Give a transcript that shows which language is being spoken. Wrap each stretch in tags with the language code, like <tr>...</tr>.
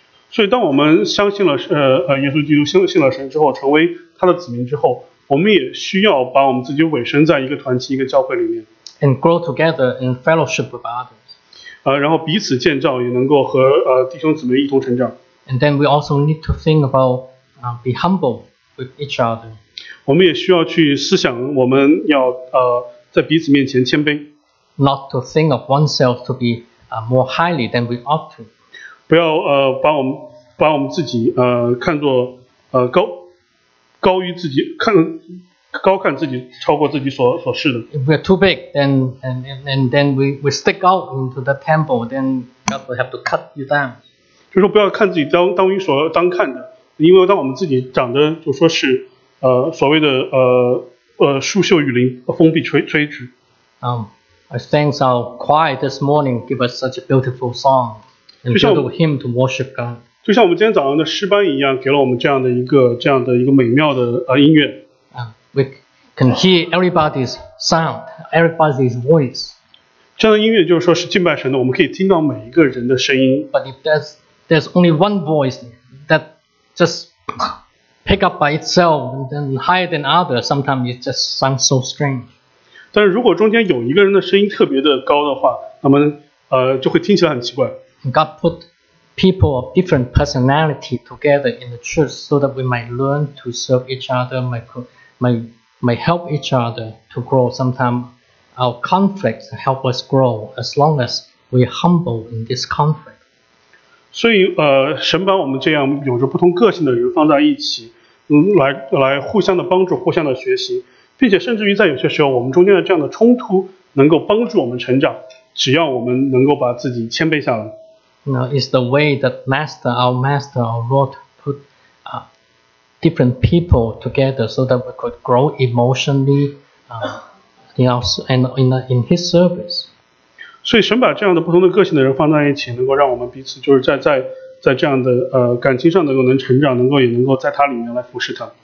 <zh>所以当我们相信了耶稣基督，信了神之后，成为他的子民之后，我们也需要把我们自己委身在一个团体、一个教会里面。</zh> <en>And grow together in fellowship with others.</en> <zh>然后彼此建造，也能够和弟兄姊妹一同成长。</zh> <en>And then we also need to think about be humble with each other.</en> <zh>我们也需要去思想，我们要在彼此面前谦卑。</zh> <en>Not to think of oneself to be more highly than we ought to.</en> <zh>不要把我们自己看作高。高于自己看高看自己超过自己所是的。</zh> <en>If we're too big, then we stick out into the temple, then God will have to cut you down.</en> <zh>就是说不要看自己当于所当看的，因为当我们自己长得就说是所谓的树秀于林，风必吹之。</zh> <en>I thank our choir this morning give us such a beautiful song and beautiful hymn to worship God.</en> <zh>就像我们今天早上的诗班一样，给了我们这样的一个美妙的音乐。</zh> <en>We can hear everybody's sound, everybody's voice.</en> <zh>这样的音乐就是说是敬拜神的，我们可以听到每一个人的声音。</zh> <en>But if there's only one voice that just pick up by itself and then higher than others, sometimes it just sounds so strange.</en> <zh>但是如果中间有一个人的声音特别的高的话，那么就会听起来很奇怪。</zh> <en>God put people of different personality together in the church so that we might learn to serve each other, might help each other to grow. Sometimes our conflicts help us grow as long as we are humble in this conflict.</en> <zh>所以神把我们这样有着不同个性的人放在一起，来互相的帮助，互相的学习，并且甚至于在有些时候我们中间的这样的冲突能够帮助我们成长，只要我们能够把自己谦卑下来。</zh> <en>Is the way that our master, our Lord put different people together so that we could grow emotionally in His service.</en> <zh>所以神把这样的不同的个性的人放在一起，能够让我们彼此就是在这样的感情上能够成长，能够在他里面来服侍他。</zh>